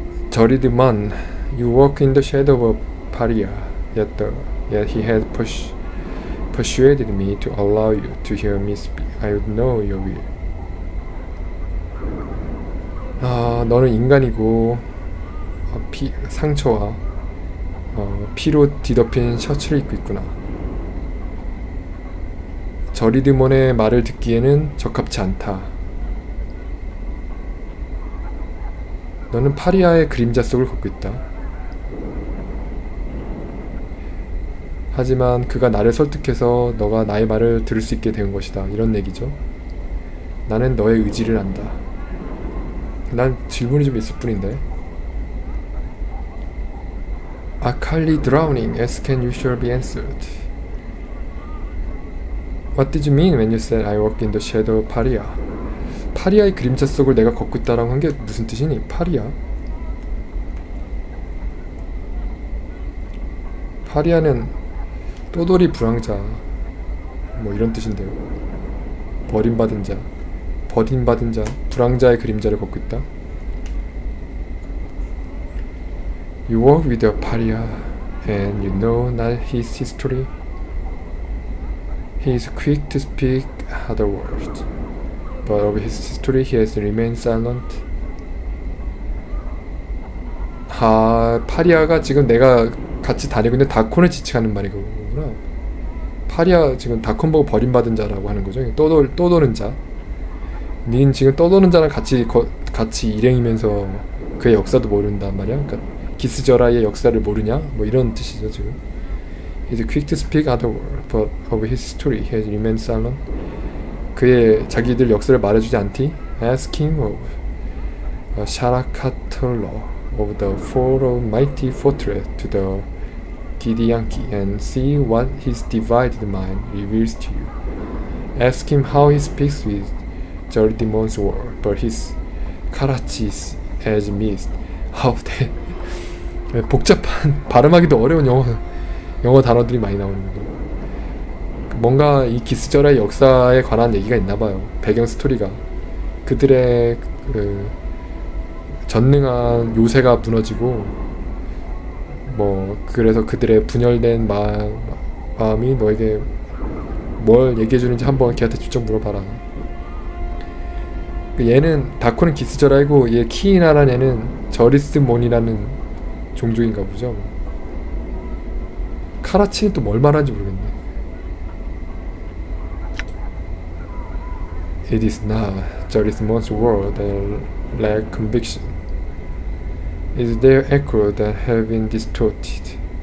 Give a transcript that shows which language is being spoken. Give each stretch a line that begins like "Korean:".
English: 저리드만, you walk in the shadow of Paria, yet he had persuaded me to allow you to hear me speak. I would know your will.
Korean: 아, 너는 인간이고, 상처와 피로 뒤덮인 셔츠를 입고 있구나. 저리드먼의 말을 듣기에는 적합치 않다. 너는 파리아의 그림자 속을 걷고 있다. 하지만 그가 나를 설득해서 너가 나의 말을 들을 수 있게 된 것이다. 이런 얘기죠. 나는 너의 의지를 안다. 난 질문이 좀 있을 뿐인데.
English: I'm currently drowning, as can you sure be answered. What did you mean when you said I walk in the shadow of Paria?
Korean: 파리아의 그림자 속을 내가 걷고 있다라고 한게 무슨 뜻이니? 파리아? 파리아는 또돌이 불황자 뭐 이런 뜻인데요. 버림받은 자, 불황자의 그림자를 걷고 있다.
English: You walk with a pariah, and you know not his history. He is quick to speak other words, but of his history he has remained silent.
Korean: 아, 파리아가 지금 내가 같이 다니고 있는 다콘을 지칭하는 말이구나. 파리아 지금 다콘 보고 버림받은 자라고 하는 거죠. 떠도는 자. 닌 지금 떠도는 자랑 같이 일행이면서 그의 역사도 모른단 말이야. 그러니까 기스저라의 역사를 모르냐? 뭐 이런 뜻이죠 지금.
English: He's quick to speak other words, but of his story he has remained silent.
Korean: 그의 자기들 역사를 말해주지 않디?
English: Ask him of Sharakatolo, of the fall of mighty fortress to the Gidianki, and see what his divided mind reveals to you. Ask him how he speaks with Jardimon's word, but his Karachis has missed. How then?
Korean: 복잡한, 발음하기도 어려운 영어 단어들이 많이 나오는 거. 뭔가 이 기스절의 역사에 관한 얘기가 있나 봐요. 배경 스토리가. 그들의 전능한 요새가 무너지고, 뭐, 그래서 그들의 분열된 마음이 너에게 뭘 얘기해 주는지 한번 걔한테 직접 물어봐라. 얘는, 다코는 기스절이고, 얘 키이나란 애는 저리스몬이라는 종족인가 보죠. 카라치는 또뭘 말하는지 모르겠네.
English: It is not Jarismon's word that lack conviction. It is their echo that have been distorted.